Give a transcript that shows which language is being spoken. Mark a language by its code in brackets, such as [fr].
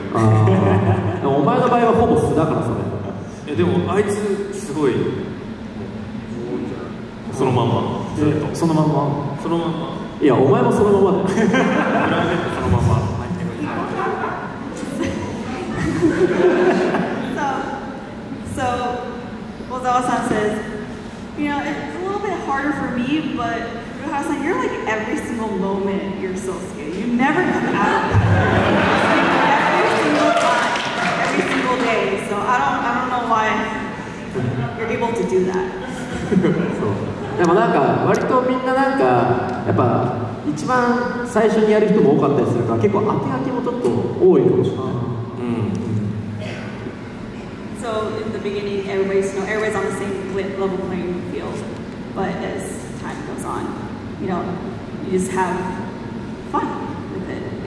[ja] あでもお前の場合はほぼ素だからそれ。いやでもあいつすごい、そのまんま、ずっとそのまんま、そのまんま、いやお前もそのままだよ。プライベートそのまんま。 [en] So, Ozawa-san says, you know, it's a little bit harder for me, but Ruha-san, you're like every single moment you're so scared. You never come out of that. Like every single time, every single day. So I don't know why you're able to do that. [ja] So, でもなんか割とみんななんかやっぱ一番最初にやる人も多かったりするから結構当て書きもちょっと多いかもしれない。 [en] So in the beginning, everybody's on the same level playing field. But as time goes on, you know, you just have fun with it.